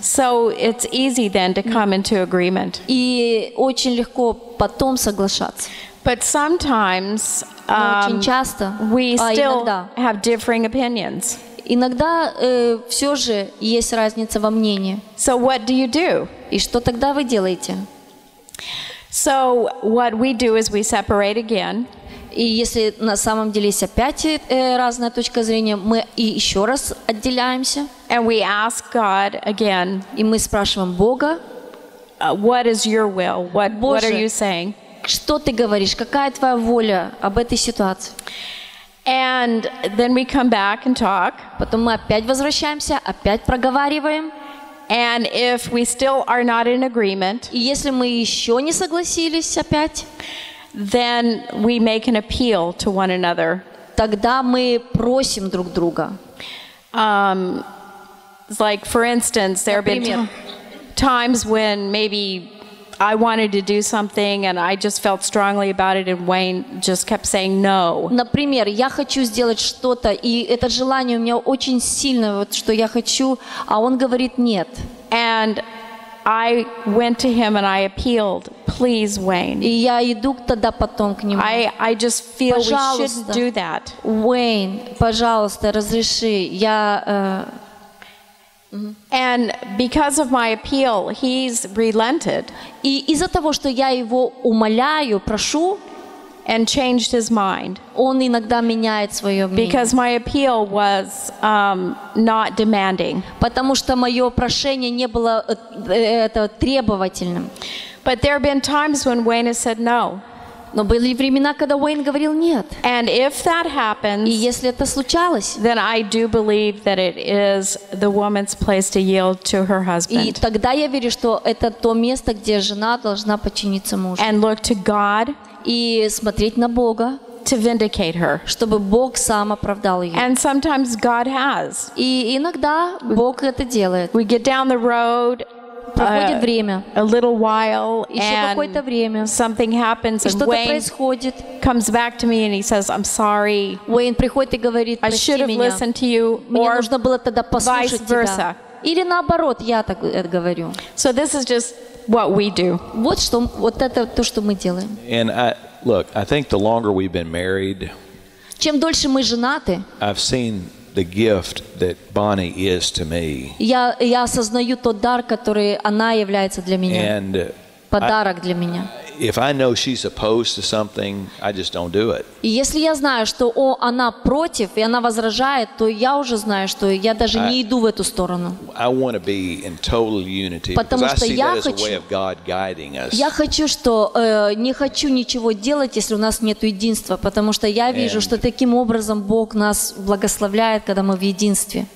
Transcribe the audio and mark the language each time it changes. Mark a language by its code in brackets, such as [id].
[en] So it's easy then to come into agreement. [ru] И очень легко потом соглашаться. [en] But sometimes we still [ru] иногда [en] have differing opinions. [ru] Иногда всё же есть разница во мнении. [en] So what do you do? [ru] И что тогда вы делаете? [en] So what we do is we separate again. [ru] И если на самом деле есть опять разная точка зрения, мы и ещё раз отделяемся. [en] And we ask God again. [ru] И мы спрашиваем Бога. [en] What is your will? What are you saying? [ru] Что ты говоришь? Какая твоя воля об этой ситуации? [en] And then we come back and talk. [ru] Потом мы опять возвращаемся, опять проговариваем. [en] And if we still are not in agreement, [ru] если мы ещё не согласились опять, [en] then we make an appeal to one another. [ru] Тогда мы просим друг друга. [en] Like for instance, there have been times when maybe I wanted to do something and I just felt strongly about it and Wayne just kept saying no. [ru] Например, я хочу сделать что-то, и это желание у меня очень сильное, вот что я хочу, а он говорит нет. [en] And I went to him and I appealed, please Wayne. [ru] И я иду тогда потом к нему. [en] I just feel we should do that. [ru] Wayne, пожалуйста, разреши. Я [en] And because of my appeal, he's relented. [ru] И из-за того, что я его умоляю, прошу, [en] and changed his mind. [ru] Он иногда меняет своё мнение. [en] Because my appeal was not demanding. [ru] Потому что моё прошение не было требовательным. [en] But there have been times when Wayne has said no. [ru] Но были времена, когда Уэйн говорил нет. [en] And if that happens, [ru] и если это случалось, [en] then I do believe that it is the woman's place to yield to her husband. [ru] И тогда я верю, что это то место, где жена должна подчиниться мужу. [en] And look to God, [ru] и смотреть на Бога, [en] to vindicate her, [ru] чтобы Бог сам оправдал её. [en] And sometimes God has. [ru] И иногда Бог это делает. [en] We get down the road, [ru] проходит время. [en] A little while, [ru] ещё какое-то время. [en] Something happens and Wayne [ru] происходит. [en] Comes back to me and he says, I'm sorry. [ru] Уэйн приходит и говорит: "Прости меня. [en] I should have listened to you." [ru] Мне нужно было тогда послушать тебя. Или наоборот, я так это говорю. [en] So this is just what we do. [ru] Вот что вот это то, что мы делаем. [en] And I think the longer we've been married, [ru] чем дольше мы женаты, [en] I've seen the gift that Bonnie is to me. [ru] Я осознаю тот дар, который она является для меня. [en] And [ru] подарок для меня. [en] If I know she's opposed to something, I just don't do it. [ru] И если я знаю, что она против и она возражает, то я уже знаю, что я даже не иду в эту сторону. [en] I want to be in total unity. [ru] Потому что я хочу, [en] as a way of God guiding us. [ru] Я хочу, что не хочу ничего делать, если у нас нет единства, потому что я вижу, что таким образом Бог нас благословляет, когда мы в единстве.